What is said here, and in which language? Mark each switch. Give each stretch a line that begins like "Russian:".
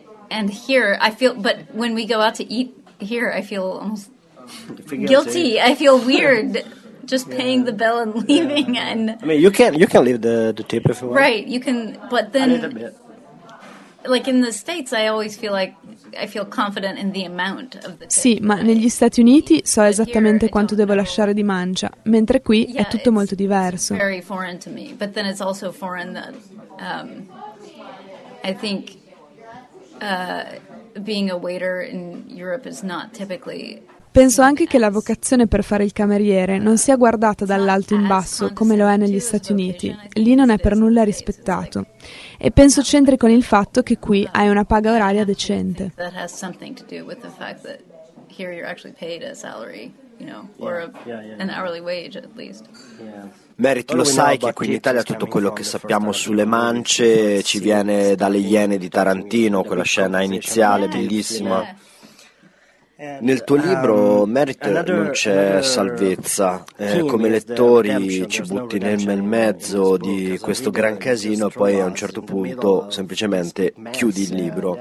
English: And here I feel, but when we go out to eat here, I feel almost guilty. I feel weird just paying the bill and leaving. Yeah. And I mean, you can leave the tip if you want. Right, you can, but then a little bit. Like in the States, I always feel like I feel confident in the amount of the tip.
Italian: Sì, ma negli Stati Uniti so esattamente quanto devo lasciare di mancia, mentre qui è tutto molto diverso.
English: It's very foreign to me, but then it's also foreign that I think being a waiter in Europe is not typically.
Italian: Penso anche che la vocazione per fare il cameriere non sia guardata dall'alto in basso come lo è negli Stati Uniti. Lì non è per nulla rispettato. E penso c'entri con il fatto che qui hai una paga oraria decente.
English: That has something to do with the fact that here you're actually paid a salary, you know, or an hourly wage at least.
Italian: Merit, lo sai che qui in Italia tutto quello che sappiamo sulle mance ci viene dalle Iene di Tarantino, quella scena iniziale bellissima. Nel tuo libro, Merit, non c'è salvezza. Come lettori ci butti nel bel mezzo di questo gran casino e poi a un certo punto semplicemente chiudi il libro.